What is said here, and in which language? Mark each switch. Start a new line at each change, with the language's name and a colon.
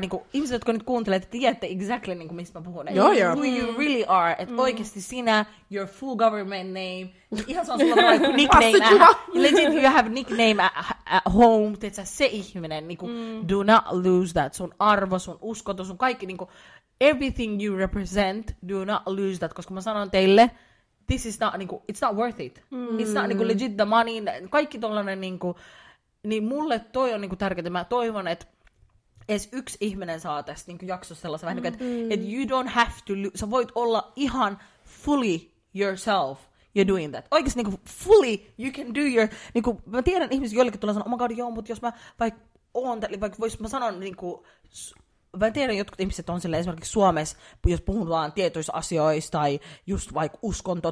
Finnish: Niin kuin ihmiset, jotka nyt kuuntelee, että tiedätte exactly niin kuin mistä mä puhun.
English: Who you really are.
Finnish: Että oikeesti sinä,
English: your full government name.
Finnish: Ihan se on sulla nickname.
English: Legit, you have nickname at home.
Finnish: Teet sä se ihminen. Niin kuin,
English: do not lose that.
Finnish: Sun arvo, sun uskonto, sun kaikki.
English: Niin kuin, everything you represent, do not lose that.
Finnish: Koska mä sanon teille,
English: this is not, niinku, it's not worth it. It's not niinku, legit the money.
Finnish: Kaikki tollanen, niinku, niin mulle toi on niinku, tärkeää. Mä toivon, että edes yksi ihminen saa tästä niinku, jaksossa sellaisen vähän, että et
English: you don't have to,
Finnish: sä voit olla ihan
English: fully yourself, you're doing that.
Finnish: Oikeasti niinku,
English: fully, you can do your,
Finnish: niinku, mä tiedän ihmisiä, joillekin tulee sanoa,
English: oh my god,
Finnish: joo, mutta jos mä vaikka oon, vaikka vois mä sanon, niinku, mä en tiedä, jotkut ihmiset on silleen esimerkiksi Suomessa, jos puhutaan tietoista asioista tai just vaikka uskonto.